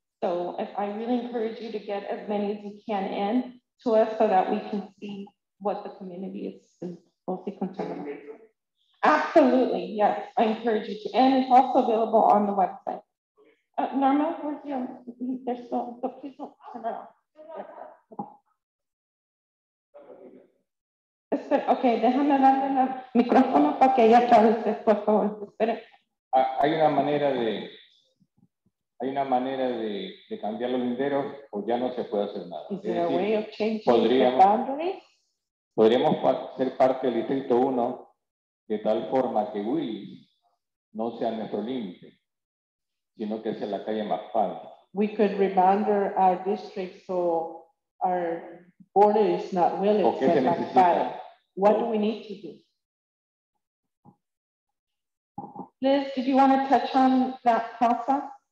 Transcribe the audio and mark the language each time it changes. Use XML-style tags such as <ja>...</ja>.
<en>So if I really encourage you to get as many as you can in to us so that we can see what the community is mostly concerned about. Absolutely, yes. I encourage you to. And it's also available on the website. Norma, where's your, there's still, so please don't turn it off.</en> <es>Okay, déjame darle el micrófono para que ella traduzca, por favor. Espere. Hay una manera de, hay una manera de cambiar los linderos o ya no se puede hacer nada.</es> <en>Is there a way of changing the boundaries?</en> <es>Podríamos ser parte del distrito 1 de tal forma que Willis no sea nuestro límite, sino que sea la calle más fácil.</es> <en>We could rebounder our district so our border is not Willis, but McFadden. What do we need to do? Liz, did you want to touch on that process?</en>